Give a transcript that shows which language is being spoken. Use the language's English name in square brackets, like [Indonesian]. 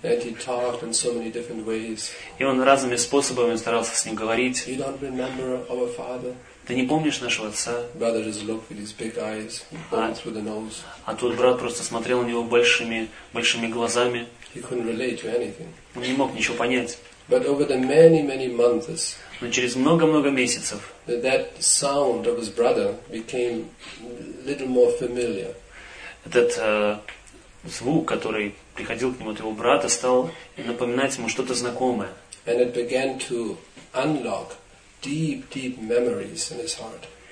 [English] And he talked in so many different ways. [Russian] И он разными способами старался с ним говорить. [English] You don't remember our father? [Russian] Ты не помнишь нашего отца? [English] Brother just looked with his big eyes, bones with the nose. [Russian] А тот брат просто смотрел на него большими, большими глазами. [English] He couldn't relate to anything. [Russian] Он не мог ничего понять. [English] But over the many, many months, [Russian] но через много-много месяцев, [English] that sound of his brother became a little more familiar. [Russian] Этот звук, который приходил к нему от его брата, стал напоминать ему что-то знакомое. [English] And it began to unlock deep, deep memories in his heart.